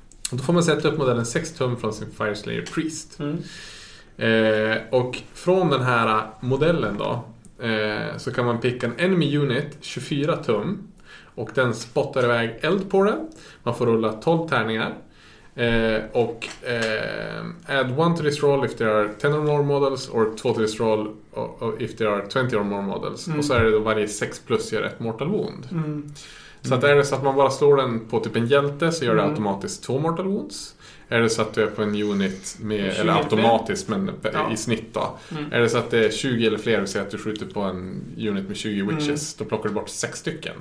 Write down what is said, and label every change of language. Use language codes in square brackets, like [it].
[sv] Och då får man sätta upp modellen 6 tum från sin Fire Slayer Priest. Mm. Och från den här modellen då, så kan man picka en enemy unit 24 tum. Och den spottar iväg eld på den. Man får rulla 12 tärningar. [en] Och add 1 to this roll if there are 10 or more models, or 2 to this roll if there are 20 or more models. [sv] Mm. Och så är det då varje 6+ gör ett mortal wound. Mm. Så att är det så att man bara slår den på typ en hjälte, så gör det automatiskt 2 mortal wounds. Är det så att du är på en unit med, eller automatiskt, men i snitt då. Mm. Är det så att det är 20 eller fler, så att du skjuter på en unit med 20 witches, då plockar du bort 6 stycken.